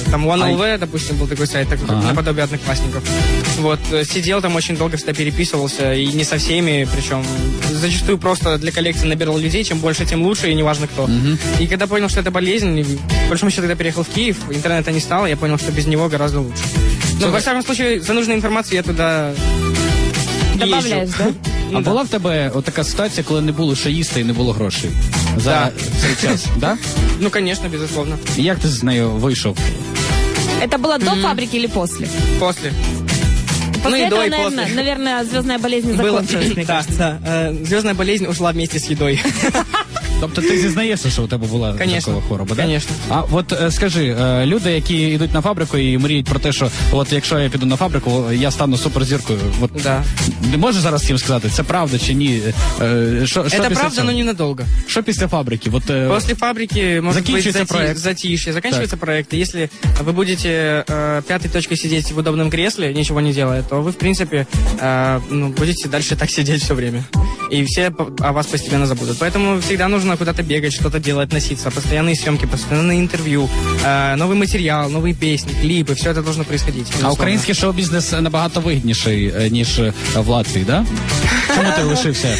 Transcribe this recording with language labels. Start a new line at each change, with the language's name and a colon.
Russian: Там OneLV, допустим, был такой сайт, такой, наподобие Одноклассников. Вот, сидел там очень долго, всегда переписывался, и не со всеми, причем. Зачастую просто для коллекции набирал людей, чем больше, тем лучше, и неважно кто. И когда понял, что это болезнь, в большом счете, когда переехал в Киев, интернета не стало, я понял, что без него гораздо лучше. Но, во всяком случае, за нужную информацию я туда добавляешь, езжу. Да?
Ukrainian: А ну, була в тебе от така ситуація, коли не було шаїста і не було грошей за цей час, да? Ну, звісно, безусловно. І як ти з нею вийшов?
Russian: Это
Ukrainian: було
Russian: до фабрики или после? После. После этого, наверное, звездная болезнь закончилась. Да, звездная болезнь ушла вместе с едой.
Ukrainian: Тобто ти зізнаєшся, що у тебе була такова хвороба, да?
Russian: Конечно.
Ukrainian: А от скажи, люди, які йдуть на фабрику і мріють про те, що от якщо я піду на фабрику, я стану суперзіркою. От, да. Не можеш зараз їм сказати, це правда чи ні? Це правда, але ненадовго. Що після фабрики? От, після фабрики, може бути, затишье. Заканчується проєкт. Якщо ви будете п'ятій точкою сидіти в удобному кріслі, нічого не робити, то ви, в принципі, будете далі так сидіти
Russian: все время. И все о вас постепенно забудут. Поэтому всегда нужно куда-то бегать, что-то делать, носиться. Постоянные съемки, постоянные интервью, новый материал, новые песни, клипы. Все это должно происходить. А украинский шоу-бизнес
Ukrainian: набагато
Russian: выгоднейший,
Ukrainian: ніж
Russian: в Латвии, да? Почему ты лишился?